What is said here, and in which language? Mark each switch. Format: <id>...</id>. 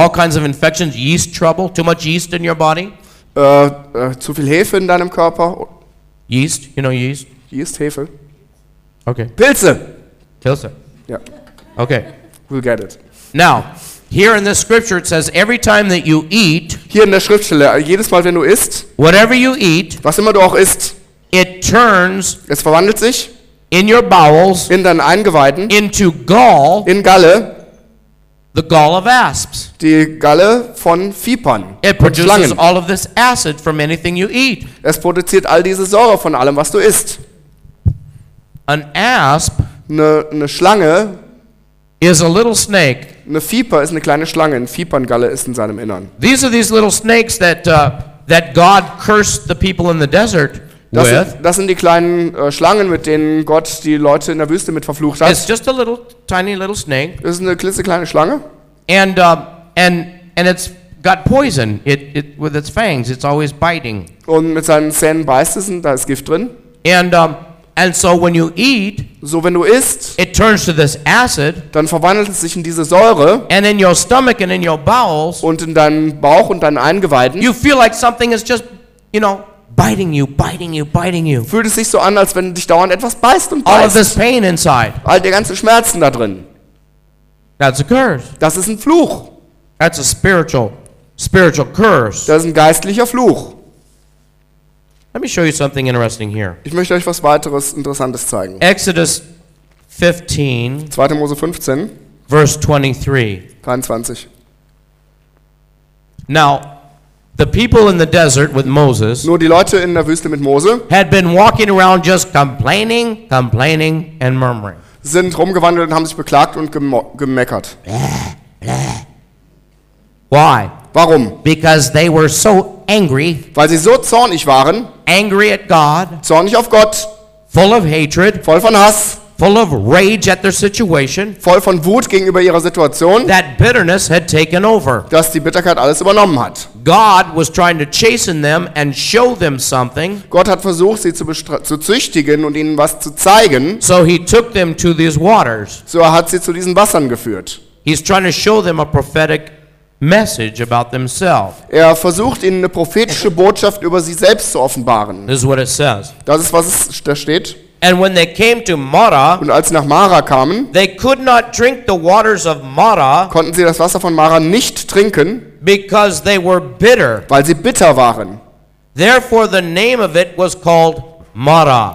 <en>All kinds of infections, yeast trouble, too much yeast in your body.</en> <de>Zu viel Hefe in deinem Körper.</de> <en>Yeast, you know yeast. Yeast, Hefe. Okay.</en> <de>Pilze.</de> <en>Yeah. Okay. We'll get it. Now, here in this scripture it says every time that you eat.</en> <de>Hier in der Schriftstelle, jedes Mal wenn du isst.</de> <en>Whatever you eat.</en> <de>Was immer du auch isst.</de> <en>It turns.</en> <de>Es verwandelt sich.</de> <en>In your bowels.</en> <de>In deinen Eingeweiden.</de> <en>Into gall.</en> <de>In Galle.</de> <en>The gall of asps.</en> <de>Die Galle von Vipern.</de> <en>It produces all of this acid from anything you eat.</en> <de>Es produziert all diese Säure von allem, was du isst.</de> <en>An asp.</en> <de>Eine Schlange.</de> <en>Is a little snake.</en> <de>Eine Viper ist eine kleine Schlange. Eine Viperngalle ist in seinem Innern.</de> <en>These are these little snakes that God cursed the people in the desert.</en> <de>Das sind die kleinen Schlangen, mit denen Gott die Leute in der Wüste mit verflucht hat.</de> <en>It's just a little tiny little snake.</en> <de>Das ist eine klitzekleine Schlange.</de> <en>And it's got poison. It with its fangs, it's always biting.</en> <de>Und mit seinen Zähnen beißt es, und da ist Gift drin.</de> <en>And so when you eat,</en> <de>so wenn du isst,</de> <en>it turns to this acid.</en> <de>Dann verwandelt es sich in diese Säure.</de> <en>And in your stomach and in your bowels.</en> <de>Und in deinem Bauch und deinen Eingeweiden.</de> <en>You feel like something is just, you know. Biting you.</en> <de>Fühlt es sich so an, als wenn dich dauernd etwas beißt und beißt.</de> <en>All of this pain inside.</en> <de>All der ganze Schmerzen da drin.</de> <en>That's a curse.</en> <de>Das ist ein Fluch.</de> <en>That's a spiritual curse.</en> <de>Das ist ein geistlicher Fluch.</de> <en>Let me show you something interesting here.</en> <de>Ich möchte euch was weiteres Interessantes zeigen.</de> <en>Exodus 15.</en> <de>2. Mose 15.</de> <en>Verse 23.</en> <de>23.</de> <en>Now. The people in the desert with Moses.</en> <de>Nur die Leute in der Wüste mit Mose.</de> <en>Had been walking around just complaining and murmuring.</en> <de>Sind rumgewandelt und haben sich beklagt und gemeckert.</de> <en>Why?</en> <de>Warum?</de> <en>Because they were so angry.</en> <de>Weil sie so zornig waren.</de> <en>Angry at God.</en> <de>Zornig auf Gott.</de> <en>Full of hatred.</en> <de>Voll von Hass.</de> <en>Full of rage at their situation.</en> <de>Voll von Wut gegenüber ihrer Situation.</de> <en>That bitterness had taken over.</en> <de>Dass die Bitterkeit alles übernommen hat.</de> <en>God was trying to chasten them and show them something.</en> <de>Gott hat versucht, sie zu züchtigen und ihnen was zu zeigen.</de> <en>So he took them to these waters.</en> <de>So hat sie zu diesen Wassern geführt.</de> <en>He's trying to show them a prophetic message about themselves.</en> <de>Er versucht ihnen eine prophetische Botschaft über sie selbst zu offenbaren.</de> <en>This is what it says.</en> <de>Das ist was da steht.</de> <en>And when they came to Marah,</en> <de>und als sie nach Marah kamen,</de> <en>they could not drink the waters of Marah,</en> <de>konnten sie das Wasser von Marah nicht trinken,</de> <en>because they were bitter,</en> <de>weil sie bitter waren.</de> <en>Therefore the name of it was called Marah.</en>